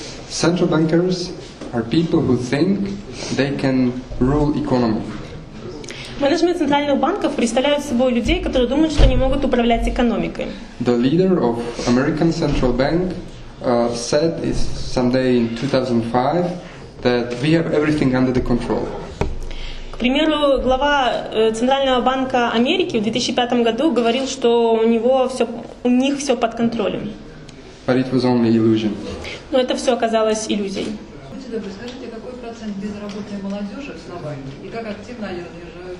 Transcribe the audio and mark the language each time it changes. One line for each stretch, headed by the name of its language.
English: Central bankers are people who think they can rule economy.
Russian: Менеджмент центральных банков представляют собой людей, которые думают, что они могут управлять экономикой.
English: The leader of American Central Bank said someday in 2005 that we have everything under the control.
Russian: К примеру, глава Центрального банка Америки в 2005 году говорил, что у них все под контролем.
English: But it was only illusion.
Russian: Но это все оказалось иллюзией. Будьте добры, скажите, какой процент безработной молодежи в Словакии и как активно ее движет?